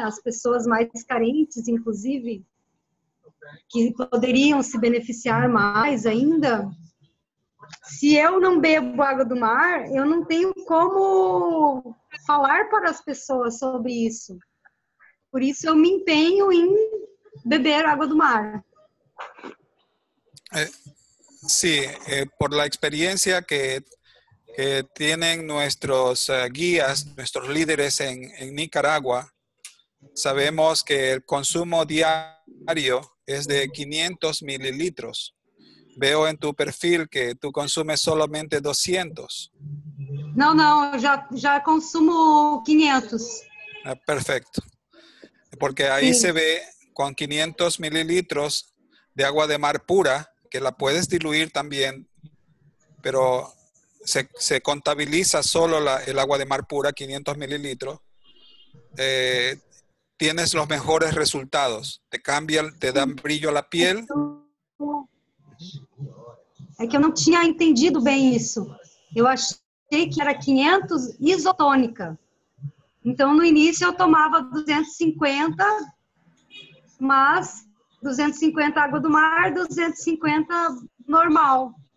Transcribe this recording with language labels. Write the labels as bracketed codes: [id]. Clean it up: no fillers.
[pt] As pessoas mais carentes, inclusive, que poderiam se beneficiar mais ainda. Se eu não bebo água do mar, eu não tenho como falar para as pessoas sobre isso. Por isso eu me empenho em beber água do mar. [es] Sim, por la experiencia que tienen nuestros guías, nuestros líderes en Nicaragua, sabemos que el consumo diario es de 500 mililitros. Veo en tu perfil que tú consumes solamente 200. No, ya consumo 500. Perfecto. Porque ahí sí se ve con 500 mililitros de agua de mar pura, que la puedes diluir también, pero se contabiliza solo el agua de mar pura, 500 mililitros. Tienes los mejores resultados. Te cambian, te dan brillo a la piel. [pt] É que eu não tinha entendido bem isso. Eu achei que era 500 isotônica. Então, no início, eu tomava 250, mas 250 água do mar, 250 normal.